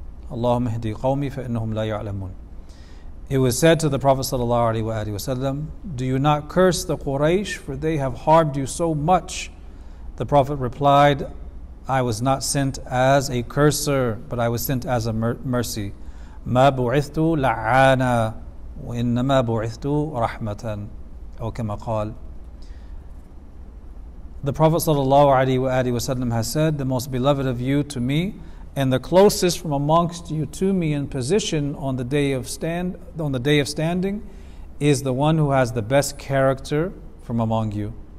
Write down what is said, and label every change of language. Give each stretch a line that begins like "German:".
English: Allahumma hdi qawmi fa innahum la ya'lamun. It was said to the Prophet ﷺ, do you not curse the Quraysh, for they have harmed you so much? The Prophet replied, I was not sent as a curser, but I was sent as a mercy.
Arabic: مَا بُعِثْتُ لَعَانَا وَإِنَّمَا بُعِثْتُ رَحْمَةً أو كما قال.
English: The Prophet ﷺ has said, the most beloved of you to me and the closest from amongst you to me in position on the day of standing is the one who has the best character from among you.